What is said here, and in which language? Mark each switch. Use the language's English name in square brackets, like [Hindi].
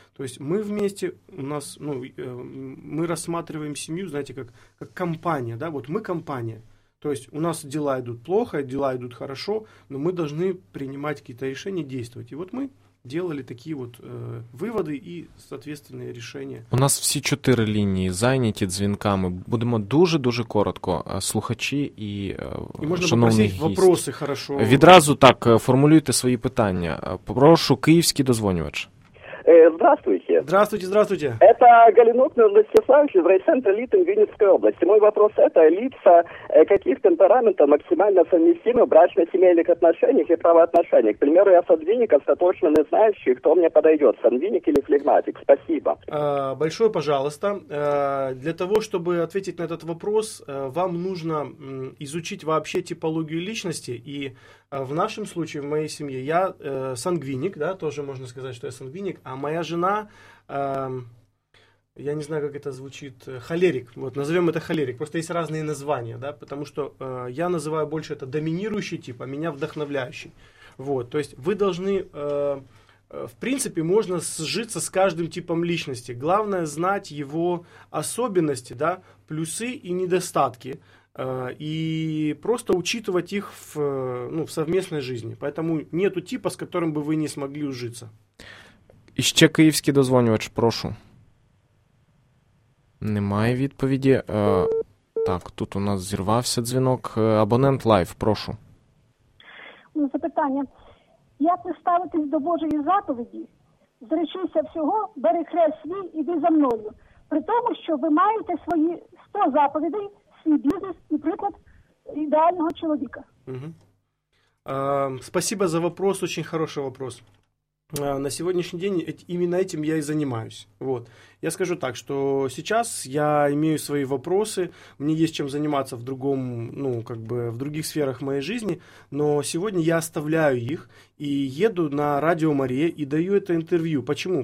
[Russian] То есть мы вместе, у нас, ну, мы рассматриваем семью, знаете, как компания, да, вот мы компания, то есть у нас дела идут плохо, дела идут хорошо, но мы должны принимать какие-то решения, действовать, и вот мы делали такие вот выводы и соответственные решения. [Ukrainian] У нас всі чотири лінії зайняті дзвінками. Будемо дуже-дуже коротко, слухачі і можна шановний гість. [Russian] Вопроси, хорошо. [Ukrainian] Відразу так, формулюйте свої питання. Прошу, київський дозвонювач. [Russian] Здравствуйте. Здравствуйте, здравствуйте. Это Галинок Нурлан Стефанович из райцентра ЛИД Винницкой области. Мой вопрос – это лица каких темпераментов максимально совместимы в брачно-семейных отношениях и правоотношениях? К примеру, я сангвиник, остаточно не знающий, кто мне подойдет, сангвиник или флегматик. Спасибо. Большое пожалуйста. Для того, чтобы ответить на этот вопрос, вам нужно изучить вообще типологию личности. И в нашем случае, в моей семье, я сангвиник, да, тоже можно сказать, что я сангвиник. А моя жена, я не знаю, как это звучит, холерик, вот назовем это холерик, просто есть разные названия, да, потому что я называю больше это доминирующий тип, а меня вдохновляющий, вот, то есть вы должны, в принципе, можно сжиться с каждым типом личности, главное знать его особенности, да, плюсы и недостатки, и просто учитывать их в, ну, в совместной жизни, поэтому нету типа, с которым бы вы не смогли ужиться. [Ukrainian] Іще київський дозвонювач, прошу. Немає відповіді. Так, тут у нас зірвався дзвінок. Абонент лайв, прошу. Запитання. Як не ставитись до Божої заповіді? Зречися всього, бери хрест свій, іди за мною. При тому, що ви маєте свої 100 заповідей, свій бізнес і приклад ідеального чоловіка. [Russian] Спасибо за вопрос, очень хороший вопрос. На сегодняшний день именно этим я и занимаюсь. Вот. Я скажу так, что сейчас я имею свои вопросы, мне есть чем заниматься в другом, ну, как бы в других сферах моей жизни, но сегодня я оставляю их и еду на Радио Мария и даю это интервью. Почему?